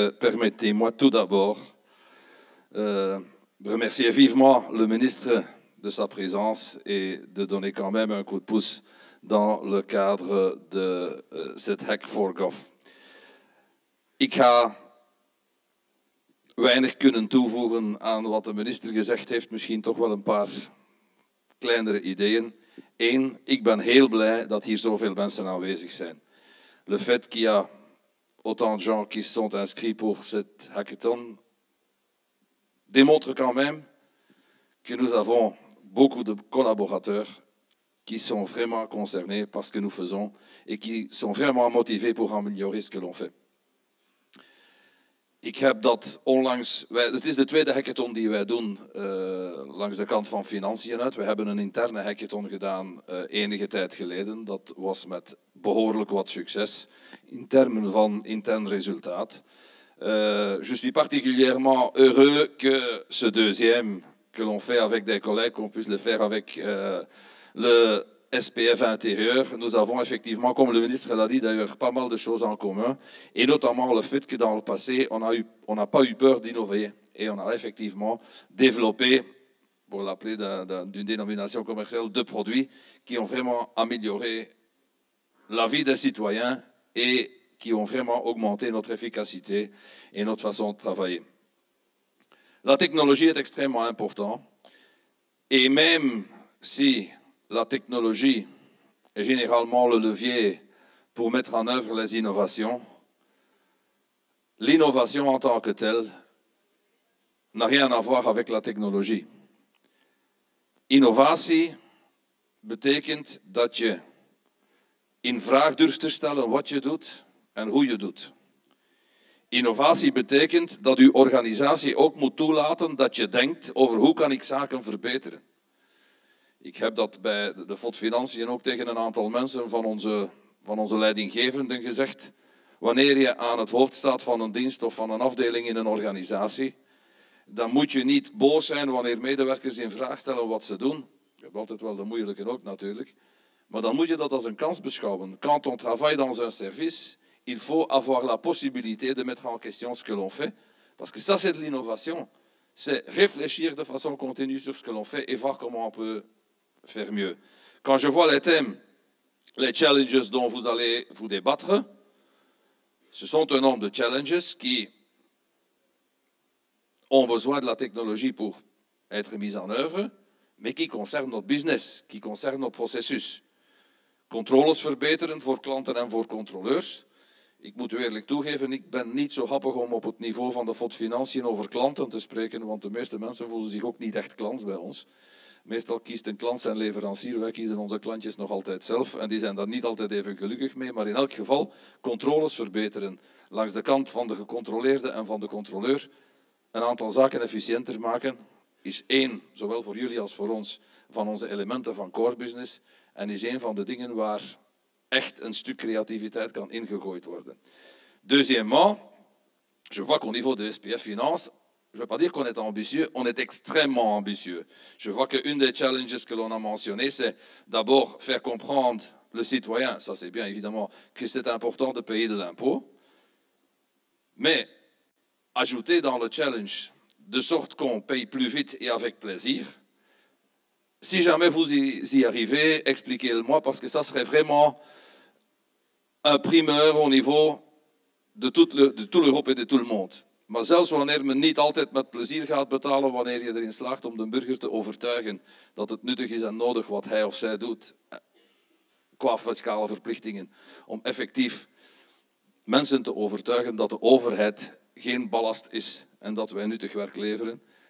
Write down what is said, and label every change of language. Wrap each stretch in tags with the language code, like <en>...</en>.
<fr>Permettez-moi tout d'abord de remercier vivement le ministre de sa présence et de donner quand même un coup de pouce dans le cadre de cette Hack for Gov.</fr> <nl>Ik ga weinig kunnen toevoegen aan wat de minister gezegd heeft, misschien toch wel een paar kleinere ideeën. Eén, ik ben heel blij dat hier zoveel mensen aanwezig zijn.</nl> <fr>Le fait qu'il y a autant de gens qui sont inscrits pour cette hackathon démontre quand même que nous avons beaucoup de collaborateurs qui sont vraiment concernés par ce que nous faisons et qui sont vraiment motivés pour améliorer ce que l'on fait.</fr> <nl>Ik heb dat onlangs, het is de tweede hackathon die wij doen langs de kant van financiën uit. We hebben een interne hackathon gedaan enige tijd geleden. Dat was met behoorlijk wat succes in termen van intern resultaat.</nl> <fr>Je suis particulièrement heureux que ce deuxième que l'on fait avec des collègues, qu'on puisse le faire avec le SPF intérieur. Nous avons effectivement, comme le ministre l'a dit d'ailleurs, pas mal de choses en commun. Et notamment le fait que dans le passé, on n'a pas eu peur d'innover. Et on a effectivement développé, pour l'appeler d'une dénomination commerciale, deux produits qui ont vraiment amélioré la vie des citoyens et qui ont vraiment augmenté notre efficacité et notre façon de travailler. La technologie est extrêmement importante. Et même si la technologie est généralement le levier pour mettre en œuvre les innovations, l'innovation en tant que telle n'a rien à voir avec la technologie.</fr> <nl>Innovatie betekent dat je in vraag durft te stellen wat je doet en hoe je doet. Innovatie betekent dat uw organisatie ook moet toelaten dat je denkt over hoe kan ik zaken verbeteren. Ik heb dat bij de FOD Financiën ook tegen een aantal mensen van onze leidinggevenden gezegd. Wanneer je aan het hoofd staat van een dienst of van een afdeling in een organisatie, dan moet je niet boos zijn wanneer medewerkers in vraag stellen wat ze doen. Je hebt altijd wel de moeilijke ook natuurlijk. Maar dan moet je dat als een kans beschouwen.</nl> <fr>Quand on travaille dans un service, il faut avoir la possibilité de mettre en question ce que l'on fait. Parce que ça c'est de l'innovation. C'est réfléchir de façon continue sur ce que l'on fait et voir comment on peut faire mieux. Quand je vois les thèmes, les challenges dont vous allez vous débattre, ce sont un nombre de challenges qui ont besoin de la technologie pour être mis en œuvre, mais qui concernent notre business, qui concernent nos processus.</fr> <nl>Controles verbeteren voor klanten en voor controleurs. Ik moet u eerlijk toegeven, ik ben niet zo happig om op het niveau van de FOD Financiën over klanten te spreken, want de meeste mensen voelen zich ook niet echt klant bij ons. Meestal kiest een klant zijn leverancier, wij kiezen onze klantjes nog altijd zelf en die zijn daar niet altijd even gelukkig mee. Maar in elk geval, controles verbeteren langs de kant van de gecontroleerde en van de controleur. Een aantal zaken efficiënter maken is één, zowel voor jullie als voor ons, van onze elementen van core business en is één van de dingen waar echt een stuk creativiteit kan ingegooid worden.</nl> <fr>Deuxièmement, je vois qu'au niveau de SPF Finance, je ne veux pas dire qu'on est ambitieux, on est extrêmement ambitieux. Je vois qu'une des challenges que l'on a mentionné, c'est d'abord faire comprendre le citoyen, ça c'est bien évidemment, que c'est important de payer de l'impôt, mais ajouter dans le challenge de sorte qu'on paye plus vite et avec plaisir. Si jamais vous y arrivez, expliquez-le-moi, parce que ça serait vraiment un primeur au niveau de toute l'Europe et de tout le monde.</fr> <nl>Maar zelfs wanneer men niet altijd met plezier gaat betalen, wanneer je erin slaagt om de burger te overtuigen dat het nuttig is en nodig wat hij of zij doet, qua fiscale verplichtingen, om effectief mensen te overtuigen dat de overheid geen ballast is en dat wij nuttig werk leveren.</nl>